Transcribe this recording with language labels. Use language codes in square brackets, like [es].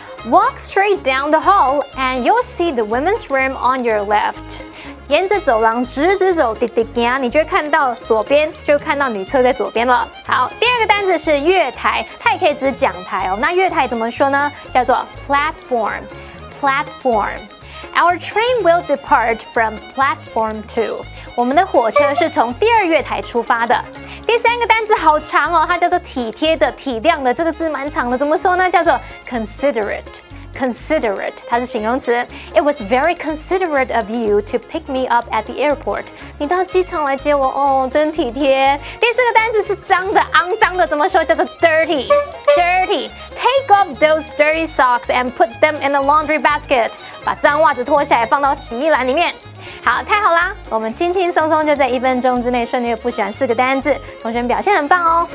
[en] Walk straight down the hall and you'll see the women's room on your left。 [zh] 沿着走廊直直走，滴滴行，你就会看到左边，就看到女厕在左边了。好，第二个单词是月台，它也可以指讲台哦。那月台怎么说呢？叫做 [en] platform。platform。 Our train will depart from platform 2. [zh] 我们的火车是从第二月台出发的。第三个单字好长哦，它叫做体贴的、体谅的，这个字蛮长的，怎么说呢？叫做 considerate。considerate， 它是形容词。 [en] It was very considerate of you to pick me up at the airport. [zh] 你到机场来接我哦，真体贴。第四个单字是脏的、肮脏的，怎么说？叫做 dirty。dirty。 [en] Take off those dirty socks and put them in the laundry basket. [zh] 把脏袜子脱下来，放到洗衣篮里面。好，太好啦！我们轻轻松松就在一分钟之内顺利复习完四个单字，同学们表现很棒哦。